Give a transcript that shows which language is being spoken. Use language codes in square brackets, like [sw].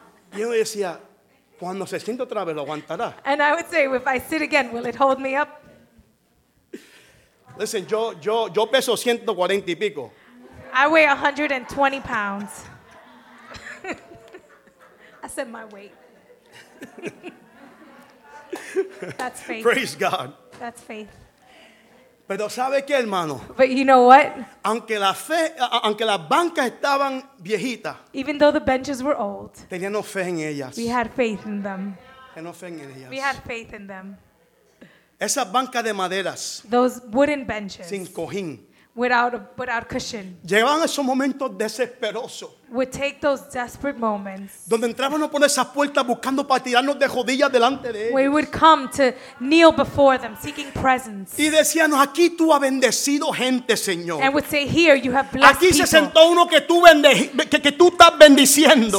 [es] Y yo decía, cuando se siente otra vez, lo aguantará. [en] And I would say, if I sit again, will it hold me up? [es] Listen, yo peso 140 y pico. [en] I weigh 120 pounds. I said my weight. That's faith. Praise God. That's faith. [es] Pero ¿sabe qué, hermano? [en] But you know what? [es] Aunque la fe, aunque las bancas estaban viejitas, [en] even though the benches were old, [es] teníamos fe en ellas. [en] We had faith in them. [es] Teníamos fe en ellas. [en] We had faith in them. [es] Esas bancas de maderas, [en] those wooden benches, [es] sin cojín, [en] without cushion, [es] llevaban esos momentos desesperosos, [en] would take those desperate moments, [es] donde entrábamos por esas puertas buscando para tirarnos de rodillas delante de ellos. [en] We would come to kneel before them, seeking presence. [es] Y decíamos, aquí tú has bendecido gente, Señor. [en] And would say, here you have blessed [es] aquí [en] people. [es] Aquí se sentó uno que tú estás bendiciendo.